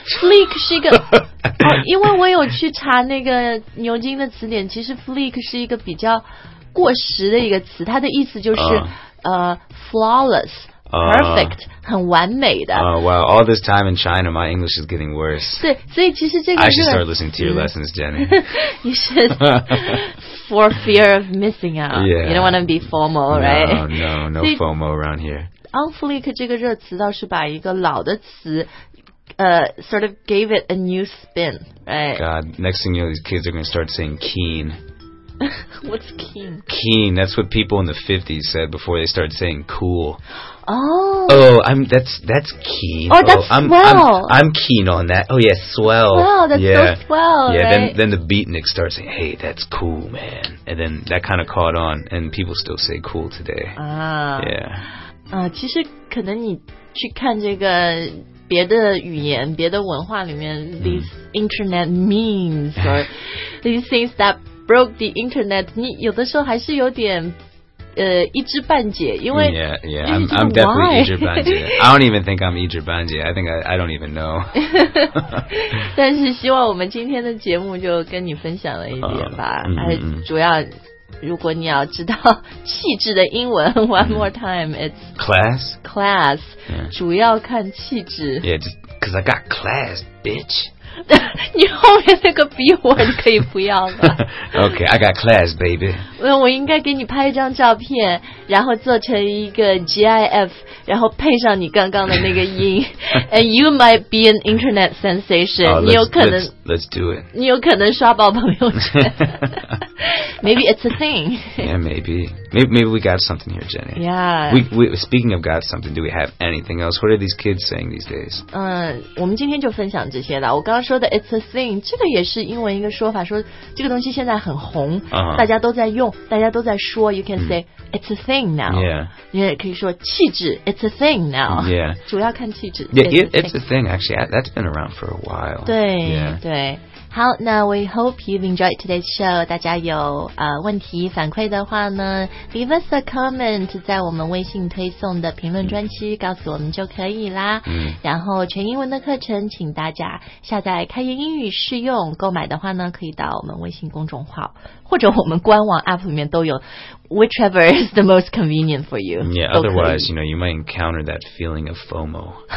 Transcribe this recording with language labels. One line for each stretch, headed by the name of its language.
Chinese: Fleek 是一个，因为我有去查那个牛津的词典，其实 fleek 是一个比较过时的一个词，它的意思就是
English: flawless, perfect,
Chinese: 很完美的。
English: Well, all this time in China, my English is getting worse.
Chinese: 对，所以其实这个是。
English: I should start listening to your lessons, Jenny. You should, for fear of missing out. Yeah. You don't want to be FOMO, right? No FOMO around here.
Chinese: On fleek 这个热词倒是把一个老的词
English: sort of gave it a new spin, right? God, next thing you know, these kids are going to start saying keen. What's keen? Keen, that's what people in the 50s said before they started saying cool. Oh. Oh, that's keen. Oh, that's swell. I'm keen on that. Oh, yeah, swell. Wow, that's yeah. so swell, yeah, right? Then the beatniks start saying, hey, that's cool, man. And then that kind of caught on, and people still say cool today. Yeah.
Chinese: 其实可能你去看这个别的语言别的文化里面、
English: these internet memes or these things that broke the internet
Chinese: 你有的时候还是有点一知半解因为
English: I'm definitely
Chinese: 一知半解
English: I don't even think I'm 一知半解 I think I don't even know
Chinese: 但是希望我们今天的节目就跟你分享了一点吧、主要如果你要知道气质的英文
English: One more time It's Class、
Chinese: yeah. 主要看气质
English: Yeah, just Cause I got class, bitch
Chinese: 你后面那个 B word 可以不要吗
English: Okay, I got class, baby
Chinese: 我应该给你拍一张照片然后做成一个 GIF 然后配上你刚刚的那个音
English: And you might be an internet sensation、 oh,
Chinese: 你有可能
English: let's do it
Chinese: 你有可能刷爆朋友圈
English: Maybe it's a thing. Yeah, maybe. Maybe we got something here, Jenny. Yeah. Speaking of got something, do we have anything else? What are these kids saying these days?
Chinese: 我们今天就分享这些了。我刚刚说的
English: it's a thing,
Chinese: 这个也是英文一个说法，说这个东西现在很红，
English: uh-huh.
Chinese: 大家都在用，大家都在说。
English: You can say it's a thing now. Yeah.
Chinese: 你也可以说气质
English: it's a thing now. Yeah.
Chinese: 主要看气质
English: Yeah, it's a thing. Actually, that's been around for a while.
Chinese: 对、
English: yeah.
Chinese: 对。好，那
English: we hope you've enjoyed today's show.
Chinese: 大家有问题反馈的话呢 ，
English: leave us a comment
Chinese: 在我们微信推送的评论专区告诉我们就可以啦。嗯。然后全英文的课程，请大家下载开言英语试用。购买的话呢，可以到我们微信公众号或者我们官网 app 里面都有 ，
English: whichever is the most convenient for you. Yeah. Otherwise, you know, you might encounter that feeling of FOMO.